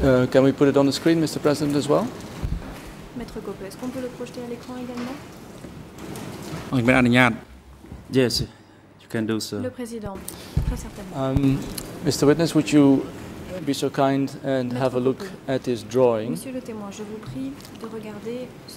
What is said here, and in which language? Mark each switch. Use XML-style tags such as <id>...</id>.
<en>Can we put it on the screen, Mr. President, as well?</en> <fr>Maître Coppe, est-ce qu'on peut le projeter à l'écran également?</fr> <en>Yes, you can do so.</en> <fr>Le président, très certainement.</fr> <en>Mr. Witness, would you be so kind and have a look at this drawing?</en> <fr>Monsieur le témoin, je vous prie de regarder ce</fr>